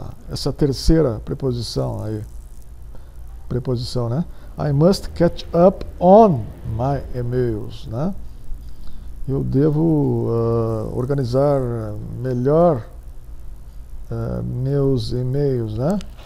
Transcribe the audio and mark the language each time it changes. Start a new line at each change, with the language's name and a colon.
Portuguese: Essa terceira preposição aí. Preposição, né?
English: I must catch up on my emails,
Portuguese: né? Eu devo organizar melhor meus e-mails, né?